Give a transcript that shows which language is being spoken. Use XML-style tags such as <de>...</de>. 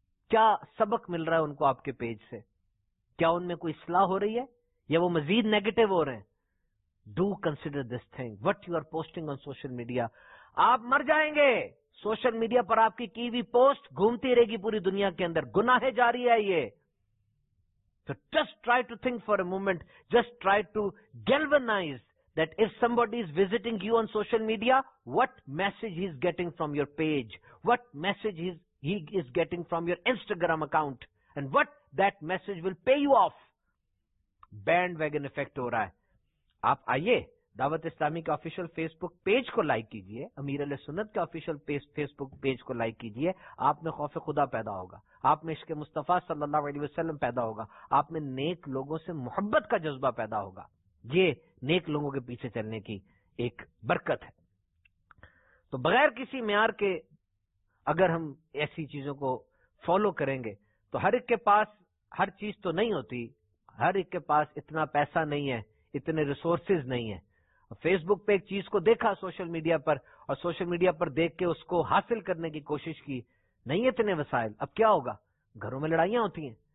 <ur>کیا سبق مل رہا ہے ان کو آپ کے پیج سے؟ کیا ان میں کوئی اصلاح ہو رہی ہے یا وہ مزید نیگیٹو ہو رہے ہیں؟</ur> <en>Do consider this thing, what you are posting on social media.</en> <ur>آپ مر جائیں گے، سوشل میڈیا پر آپ کی ہوئی پوسٹ گھومتی رہے گی پوری دنیا کے اندر، گناہ جاری ہے یہ.</ur> <en>So just try to think for a moment, just try to galvanize that if somebody is visiting you on social media, what message he is getting from your page, what message he is getting from your Instagram account, and what that message will pay you off.</en> <ur>Bandwagon effect ho raha hai. Aap aaiye Daawat Islami ka official Facebook page ko like kijiye, Ameer Ahle Sunnat ka official Facebook page ko like kijiye, aap mein khauf e khuda paida hoga, آپ میں عشق مصطفیٰ صلی اللہ علیہ وسلم پیدا ہوگا، آپ میں نیک لوگوں سے محبت کا جذبہ پیدا ہوگا. یہ نیک لوگوں کے پیچھے چلنے کی ایک برکت ہے. تو بغیر کسی معیار کے اگر ہم ایسی چیزوں کو فالو کریں گے تو ہر ایک کے پاس ہر چیز تو نہیں ہوتی، ہر ایک کے پاس اتنا پیسہ نہیں ہے، اتنے ریسورسز نہیں ہیں۔ فیس بک پہ ایک چیز کو دیکھا سوشل میڈیا پر، اور سوشل میڈیا پر دیکھ کے اس کو حاصل کرنے کی کوشش کی، نہیں اتنے وسائل، اب کیا ہوگا؟ گھروں میں لڑائیاں ہوتی ہیں،</ur>